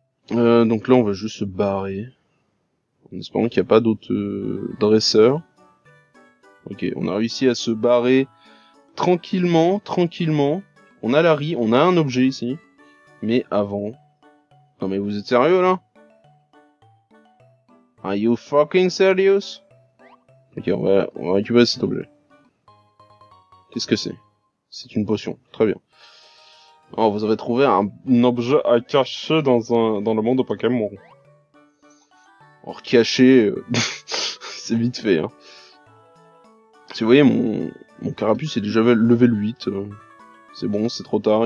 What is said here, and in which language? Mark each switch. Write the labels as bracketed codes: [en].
[fr] Donc là, on va juste se barrer. En espérant qu'il n'y a pas d'autres dresseurs. Ok, on a réussi à se barrer tranquillement, tranquillement. On a Larry, on a un objet ici. Mais avant... Non mais vous êtes sérieux là? [en] Are you fucking serious? [fr] Ok, on va récupérer cet objet. Qu'est-ce que c'est? C'est une potion. Très bien. Oh, vous avez trouvé un objet à cacher dans le monde de Pokémon. Or, cacher, c'est vite fait, hein. Si vous voyez, mon carapuce est déjà level 8. C'est bon, c'est trop tard.